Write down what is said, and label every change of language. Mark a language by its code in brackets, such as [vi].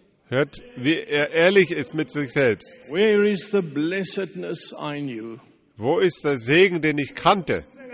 [de] Hört, wie er ehrlich ist mit sich selbst. [en] Where is the blessedness I knew? [de] Wo ist der Segen, den ich kannte?